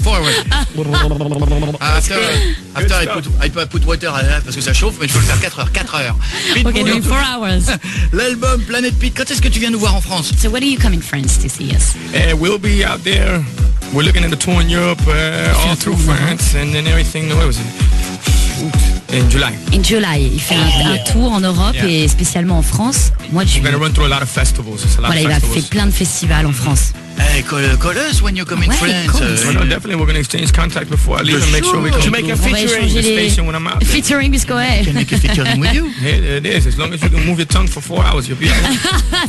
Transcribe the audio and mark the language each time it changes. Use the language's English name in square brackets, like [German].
[English] After I put water [French] parce que ça chauffe, mais je peux le faire 4 heures. [English] Pitbull, okay, doing 4 hours. [French] L'album Planet Pit, quand est-ce que tu viens nous voir en France? [English] So when are you coming France to see us? We'll be out there. We're looking at a tour in Europe, all through France, and then everything. No, what was it? In July, [French] il fait un tour en Europe et spécialement en France. Moi, je vais [English] run through a lot of festivals. [French] Il a fait plein de festivals en France. [English] Hey, call us when you come in France. No, definitely, we're going to exchange contact before I leave and make sure we can make a featuring station when I'm out. Featuring, let's go ahead. Can make a featuring with you. Hey, it is. As long as you can move your tongue for 4 hours, you'll be out.